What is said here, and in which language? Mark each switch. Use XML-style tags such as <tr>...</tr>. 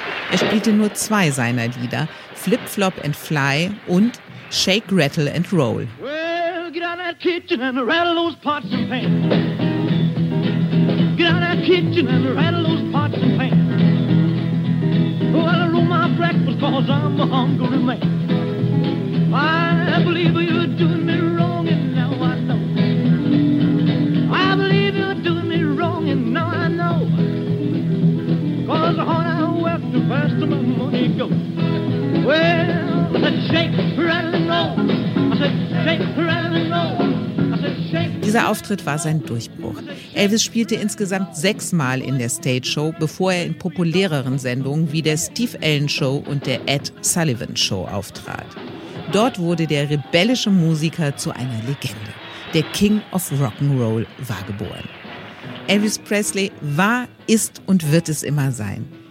<de>Er spielte nur zwei seiner Lieder, Flip, Flop and Fly und Shake, Rattle and Roll.</de> <en>Well, get out of that kitchen and rattle those pots and pans. Get out of that kitchen and rattle those pots and pans. Well, I roll my breakfast cause I'm a hungry man. I believe you're doing me wrong and now I know. I believe you're doing me wrong and now I know. Cause the harder I work, the faster my money goes. Well, I said shake, rattle and roll. I said shake, rattle and roll.</en> <de>Dieser Auftritt war sein Durchbruch. Elvis spielte insgesamt 6-mal in der Stage Show, bevor er in populäreren Sendungen wie der Steve Allen Show und der Ed Sullivan Show auftrat. Dort wurde der rebellische Musiker zu einer Legende. Der King of Rock'n'Roll war geboren. Elvis Presley war, ist und wird es immer sein.</de>